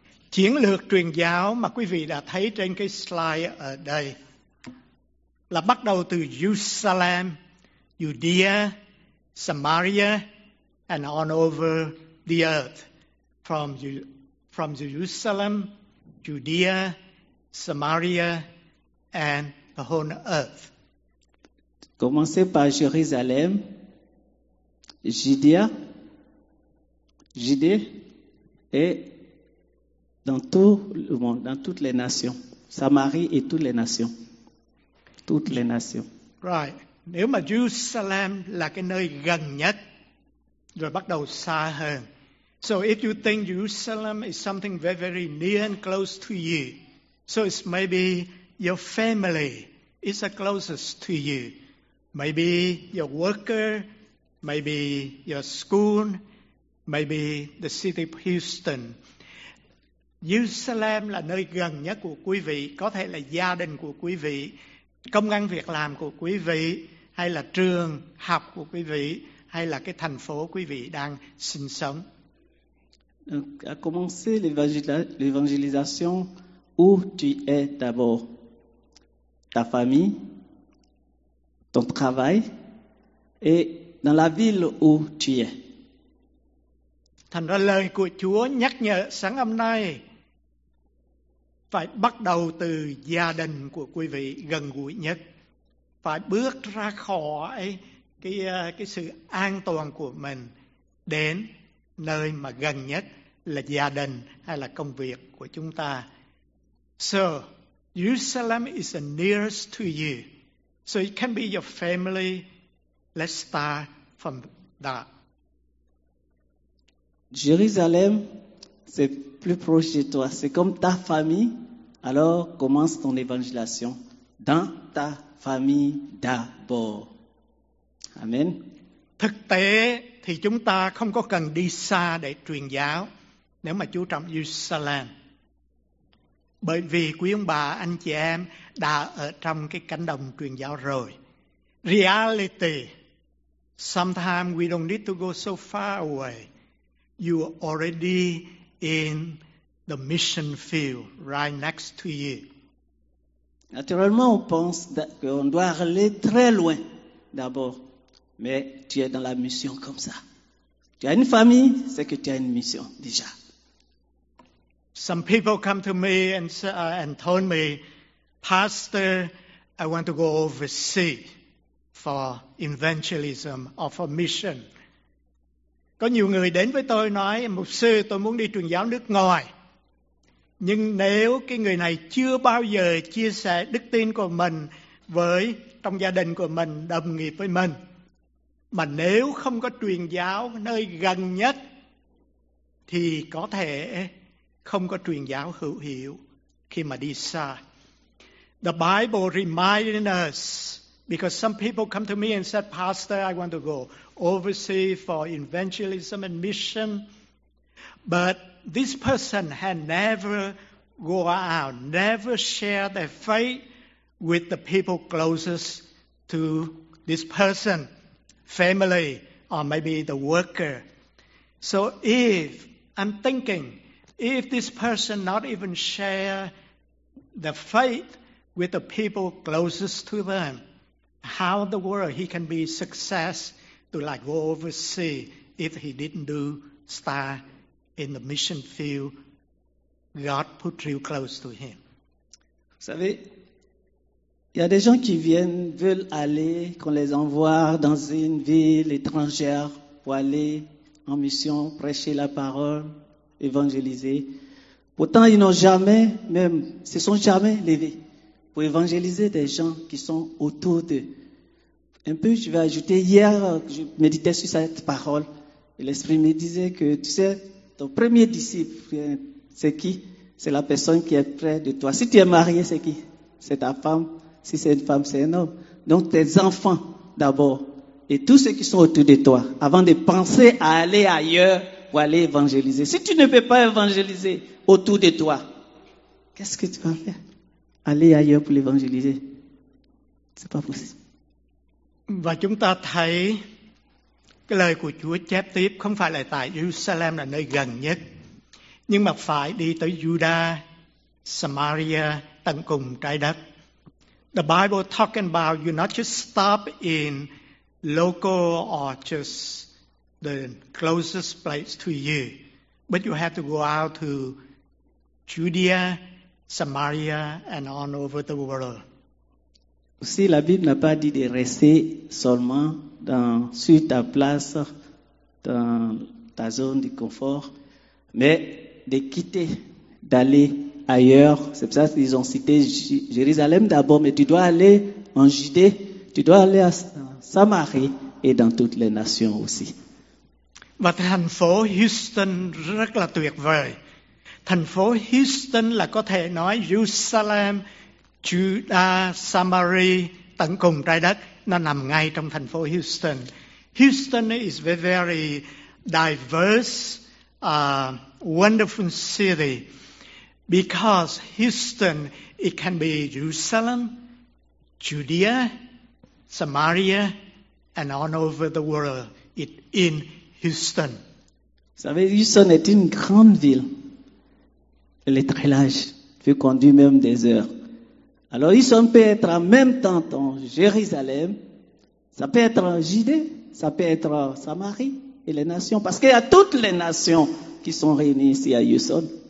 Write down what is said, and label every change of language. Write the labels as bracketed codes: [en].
[vi] Chiến lược truyền giáo mà quý vị đã thấy trên cái slide ở đây là bắt đầu từ Jerusalem, Judea, Samaria, [en] and on over the earth. From Jerusalem, Judea, Samaria and the whole earth. [fr] Commencez par Jérusalem, Judée et dans tout le monde, dans toutes les nations. Samarie et toutes les nations. Toutes les nations. [en] Right. [vi] Nếu mà Jérusalem là cái nơi gần nhất, rồi bắt đầu xa hơn. [en] So if you think Jerusalem is something very, very near and close to you, so it's maybe your family is the closest to you. Maybe your worker, maybe your school, maybe the city of Houston. [vi] Jerusalem là nơi gần nhất của quý vị, có thể là gia đình của quý vị, công ăn việc làm của quý vị, hay là trường học của quý vị, hay là cái thành phố quý vị đang sinh sống. [fr] À commencer l'évangélisation, où tu es d'abord, ta famille, ton travail et dans la ville où tu es. [vi] Thành ra lời của Chúa nhắc nhở sáng hôm nay phải bắt đầu từ gia đình của quý vị gần gũi nhất, phải bước ra khỏi cái sự an toàn của mình đến nơi mà gần nhất là gia đình hay là công việc của chúng ta. [en] So, Jerusalem is the nearest to you. So it can be your family. Let's start from that. [fr] Jérusalem, c'est plus proche de toi. C'est comme ta famille. Alors, commence ton évangélisation dans ta famille d'abord. Amen. [vi] Thực tế thì chúng ta không có cần đi xa để truyền giáo nếu mà chú trọng Jerusalem. Bởi vì quý ông bà, anh chị em đã ở trong cái cánh đồng truyền giáo rồi. [en] Reality, sometimes we don't need to go so far away. You are already in the mission field right next to you. [fr] Naturellement, on pense qu'on doit aller très loin d'abord. Mais tu es dans la mission comme ça. Tu as une famille, c'est que tu as une mission déjà. [en] Some people come to me and told me, Pastor, I want to go overseas for evangelism or for mission. [vi] Có nhiều người đến với tôi nói, mục sư, tôi muốn đi truyền giáo nước ngoài. Nhưng nếu cái người này chưa bao giờ chia sẻ đức tin của mình với trong gia đình của mình, đồng nghiệp với mình, mà nếu không có truyền giáo nơi gần nhất thì có thể không có truyền giáo hữu hiệu khi mà đi xa. [en] The Bible reminds us, because some people come to me and said, Pastor, I want to go overseas for evangelism and mission, but this person had never go out, never share their faith with the people closest to this person, family, or maybe the worker. So if, I'm thinking, if this person not even share the faith with the people closest to them, how in the world he can be success to like go overseas if he didn't do star in the mission field God put real close to him? [fr] Vous savez, il y a des gens qui viennent, veulent aller, qu'on les envoie dans une ville étrangère pour aller en mission, prêcher la parole, évangéliser. Pourtant, ils n'ont jamais, même, se sont jamais levés pour évangéliser des gens qui sont autour d'eux. Un peu, je vais ajouter, hier, je méditais sur cette parole, et l'Esprit me disait que, tu sais, ton premier disciple, c'est qui? C'est la personne qui est près de toi. Si tu es marié, c'est qui? C'est ta femme. Si c'est une femme, c'est un homme. Donc, tes enfants, d'abord, et tous ceux qui sont autour de toi, avant de penser à aller ailleurs pour aller évangéliser. Si tu ne peux pas évangéliser autour de toi, qu'est-ce que tu vas faire? Aller ailleurs pour l'évangéliser? C'est pas possible. [vi] Và chúng ta thấy cái lời của Chúa chép tiếp không phải là tại Jerusalem là nơi gần nhất, nhưng mà phải đi tới Juda, Samaria, tận cùng trái đất. [en] The Bible talking about you not just stop in local or just the closest place to you, but you have to go out to Judea, Samaria, and on over the world. [fr] Aussi, la Bible n'a pas dit de rester seulement sur ta place, dans ta zone de confort, mais de quitter, d'aller ailleurs. C'est pour ça qu'ils ont cité Jérusalem d'abord, mais tu dois aller en Judée, tu dois aller à Samarie et dans toutes les nations aussi. [vi] Và thành phố Houston rất là tuyệt vời. Thành phố Houston là có thể nói Jerusalem, Judah, Samaria, tận cùng trái đất, nó nằm ngay trong thành phố Houston. [en] Houston is a very diverse, wonderful city, because Houston, it can be Jerusalem, Judea, Samaria, and all over the world, it in Houston. [fr] Vous savez, Houston est une grande ville. Elle est très large, peut conduire même des heures. Alors, ils peuvent être en même temps dans Jérusalem, ça peut être en Judée, ça peut être en Samarie et les nations, parce qu'il y a toutes les nations qui sont réunies ici à Houston.